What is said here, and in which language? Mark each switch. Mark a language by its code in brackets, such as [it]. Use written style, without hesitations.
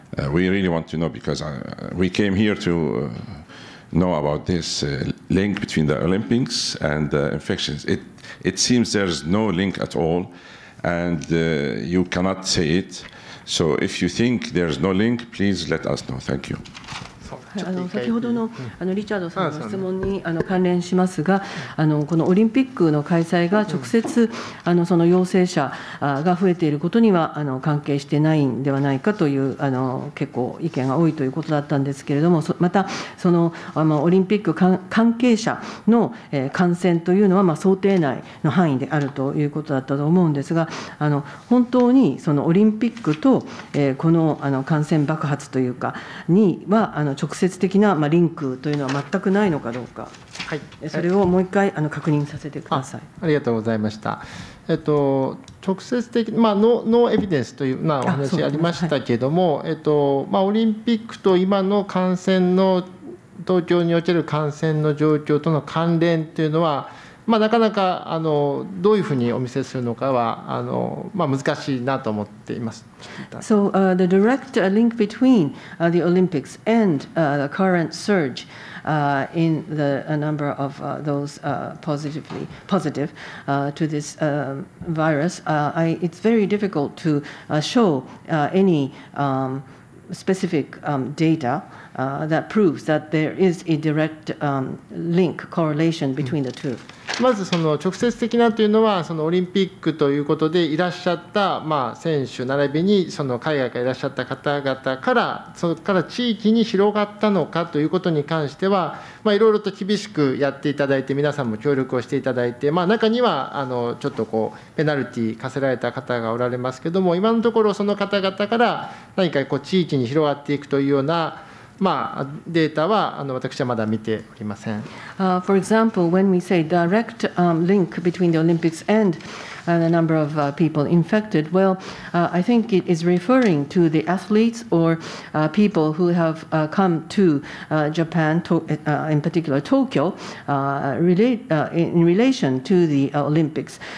[en] We really want to know, because we came here to know about this link between the Olympics and the infections. It seems there's no link at all, and you cannot say it. So if you think there's no link, please let us know. Thank you. [ja] あの先ほど の, あのリチャードさんの質問にあの関連しますが、あのこのオリンピックの開催が直接あのその陽性者が増えていることにはあの関係してないんではないかというあの結構意見が多いということだったんですけれども、またそのあのオリンピック関係者の感染というのはまあ想定内の範囲であるということだったと思うんですが、あの本当にそのオリンピックとこ の, あの感染爆発というかにはあの直接的なリンクというのは全くないのかどうか、はい、それをもう一回確認させてください。ありがとうございました。直接的、ノーエビデンスというお話がありましたけれども、はい、オリンピックと今の感染の東京における感染の状況との関連というのは、なかなかどういうふうにお見せするのかは難しいなと思っています。 [en] So, the direct link between the Olympics and the current surge in the number of those positive to this virus, it's very difficult to show any specific data that proves that there is a direct link correlation between the two. [ja] まずその直接的なというのは、そのオリンピックということでいらっしゃった選手並びにその海外からいらっしゃった方々から、そこから地域に広がったのかということに関しては、いろいろと厳しくやっていただいて、皆さんも協力をしていただいて、中にはちょっとこうペナルティー課せられた方がおられますけども、今のところその方々から何かこう地域に広がっていくというようなデータは私はまだ見ておりません。 [en] For example, when we say direct link between the Olympics and the number of people infected, well, I think it is referring to the athletes or people who have come to Japan, in particular Tokyo, in relation to the Olympics.